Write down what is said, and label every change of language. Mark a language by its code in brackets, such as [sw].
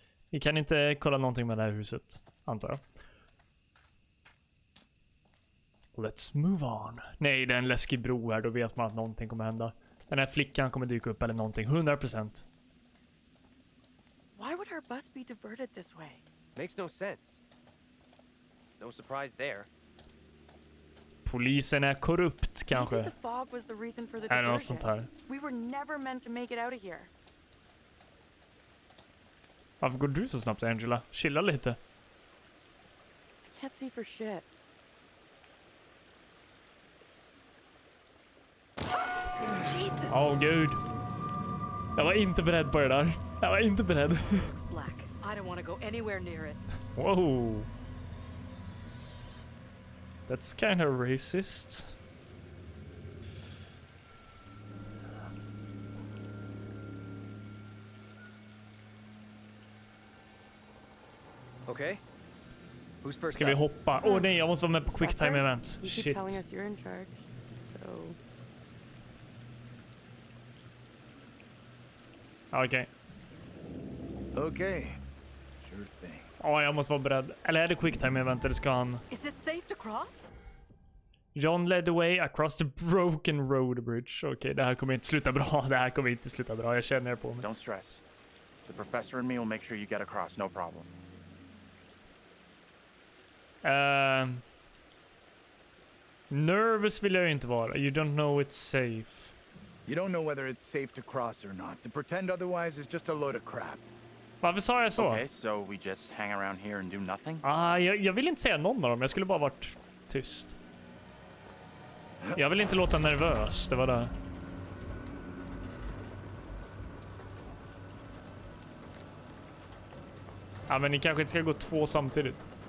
[sv] Vi kan inte kolla någonting med det här huset, antar jag. [en] Let's move on. [sv] Nej, det är en läskig bro här. Då vet man att någonting kommer hända. Den här flickan kommer dyka upp eller någonting. 100%. [en] Why would her bus be diverted this way? Makes no sense. No surprise there. [sv] Polisen är korrupt, kanske. [en] Maybe the fog was the reason for the diversion. [sv] Eller något sånt här. [en] We were never meant to make it out of here. [sv] Varför går du så snabbt, Angela? Chilla lite. [en] I can't see for shit. [sv] Åh, oh, gud. Jag var inte beredd på det där. Jag var inte beredd. [en] It's black. I don't want to go anywhere near it. Whoa. That's kind of racist. Okay. Who's first? [sv] Ska vi hoppa? Oh, nej, jag måste vara med på quick time event. [en] Shit. Telling us you're in charge. So [sv] Okej. [en] Sure thing. [sv] Åh, jag måste vara beredd. Eller är det quick time event eller ska han... [en] Is it safe to cross? John led the way across the broken road bridge. [sv] Okej, det här kommer inte sluta bra. Jag känner på mig. [en] Don't stress. The professor and me will make sure you get across. No problem. [sv] Nervous vill jag inte vara. [en] You don't know it's safe. You don't know whether it's safe to cross or not. To pretend otherwise is just a load of crap. [sv] Varför sa jag så? [en] Okay, so we just hang around here and do nothing? [sv] Jag vill inte säga någon av dem. Jag skulle bara varit tyst. Jag vill inte låta nervös. Det var det. Ja, men ni kanske inte ska gå två samtidigt.